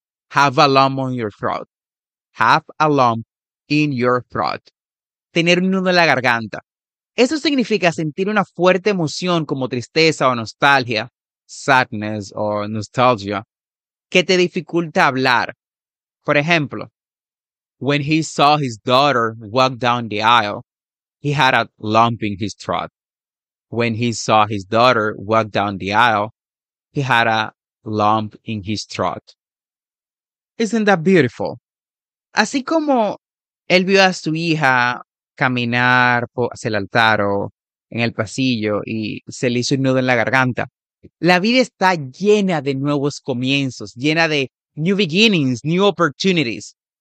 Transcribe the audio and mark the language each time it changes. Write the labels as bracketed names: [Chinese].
[English] Have a lump on your throat. Have a lump in your throat. [Spanish] Tener un nudo en la garganta. Eso significa sentir una fuerte emoción como tristeza o nostalgia, sadness o nostalgia, que te dificulta hablar. Por ejemplo, [English] when he saw his daughter walk down the aisle, he had a lump in his throat. When he saw his daughter walk down the aisle, he had a lump in his throat. Isn't that beautiful? [Spanish] Así como él vio a su hija caminar hacia el altar o en el pasillo y se le hizo un nudo en la garganta. La vida está llena de nuevos comienzos, llena de [English] new beginnings, new opportunities.